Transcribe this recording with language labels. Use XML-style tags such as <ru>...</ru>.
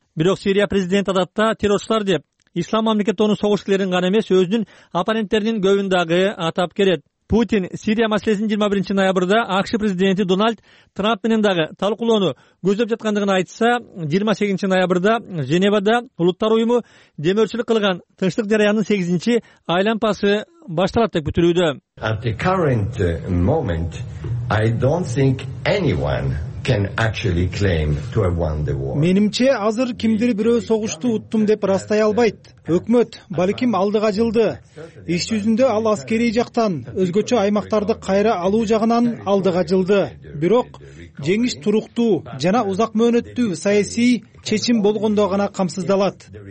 <ky>Бирок Сирия президенти адатта террорчулар деп Ислам мамлекетинин согушкерлерин гана эмес, өзүнүн оппоненттеринин көбүн дагы атап келет. Путин Сирия маселесин 21 ноябрда АКШ президенти Дональд Трамп менен дагы талкуулоону көздөп жаткандыгын айтса, 28 ноябрда Женевада Улуттар уюму демөөрчүлүк кылган тынчтык жараяндын 8-айлампасы баштырат деп күтүлүүдө.</ky> <en>At the current moment, I don't think anyone can actually claim to have won the war.</en> <ky>Менимче азыр кимдир бирөө согушту уттум деп ырастай албайт. Өкмөт балким алдыга жылды. Иш жүзүндө ал аскерий жактан өзгөчө аймактарды кайра алуу жагынан алдыга жылды. Бирок жеңиш туруктуу жана узак мөөнөттүү саясий чечим болгондо гана камсыздалат.</ky>